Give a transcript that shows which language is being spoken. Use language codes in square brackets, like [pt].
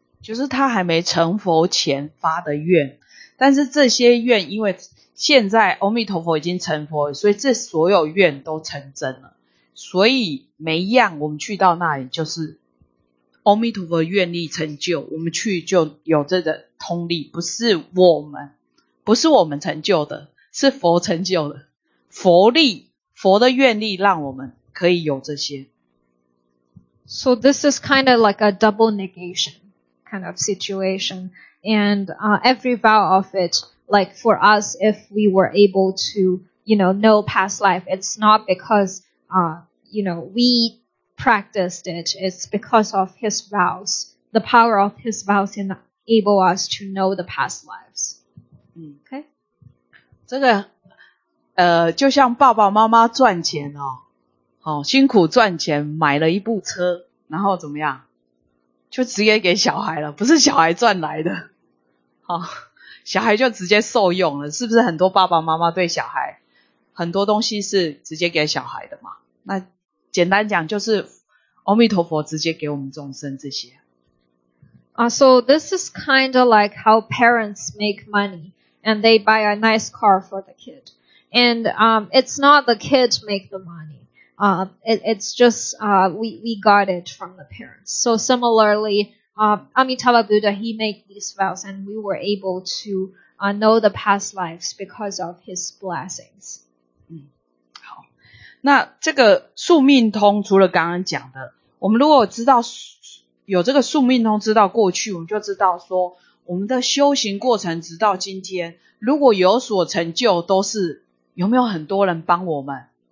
[zh] 就是他还没成佛前发的愿。但是这些愿因为现在阿弥陀佛已经成佛了，所以这所有愿都成真了，所以每一样我们去到那里就是阿弥陀佛愿力成就，我们去就有这个通力，不是我们成就的，是佛成就的，佛力佛的愿力让我们可以有这些。 [en] So this is kind of like a double negation kind of situationAnd every vow of it, like for us, if we were able to, you know past life, it's not because, you know, we practiced it. It's because of his vows. The power of his vows enable us to know the past lives. Okay. [zh] 这个就像爸爸妈妈赚钱哦，好，辛苦赚钱买了一部车，然后怎么样，就直接给小孩了，不是小孩赚来的。哦，小孩就直接受用了，是不是很多爸爸妈妈对小孩很多东西是直接给小孩的嘛？那简单讲就是阿弥陀佛直接给我们众生这些。 [en] So this is kind of like how parents make money and they buy a nice car for the kid. And it's not the kid make the money. It's just we got it from the parents. So similarly,Amitabha Buddha, he made these vows, and we were able to know the past lives because of his blessings. [zh] 好，那这个宿命通除了刚刚讲的，我们如果知道有这个宿命通，知道过去，我们就知道说我们的修行过程直到今天，如果有所成就，都是有没有很多人帮我们？